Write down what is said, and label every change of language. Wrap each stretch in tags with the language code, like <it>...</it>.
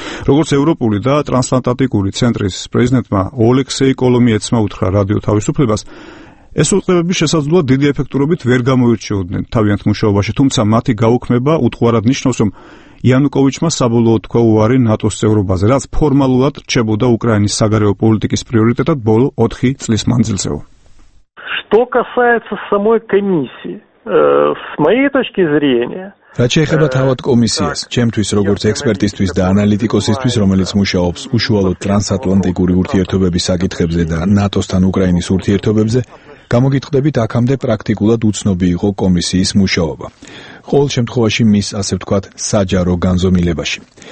<ka>როგორც ევროპული და ტრანსატლანტიკური ცენტრის პრეზიდენტმა ოლექსეი კოლომიეცმა უთხრა რადიო თავისუფლებას, ეს უწყებები შესაძლოა დიდი ეფექტურობით ვერ გამოირჩეოდნენ თავიანთ მუშაობაში, თუმცა მათი გაუქმება უტყუარად ნიშნავს, რომ იანუკოვიჩმა საბოლოოდ თქვა უარი ნატოს წევრობაზე, რაც ფორმალურად რჩებოდა უკრაინის საგარეო პოლიტიკის პრიორიტეტად ბოლო 4 წლის მანძილზე.</ka> <ru>Что касается самой комиссии, с моей точки зрения,</ru> <ka>რაც შეეხება თავად კომისიას, ჩემთვის როგორც ექსპერტისთვის და ანალიტიკოსისთვის, რომელიც მუშაობს უშუალოდ ტრანსატლანტიკური ურთიერთობების საკითხებზე და ნატოსთან უკრაინის ურთიერთობებზე, გამოგიტყდებით აქამდე პრაქტიკულად უცნობი იყო კომისიის მუშაობა. ყოველ შემთხვევაში მის, ასე ვთქვათ, საჯარო განზომილებაში.</ka>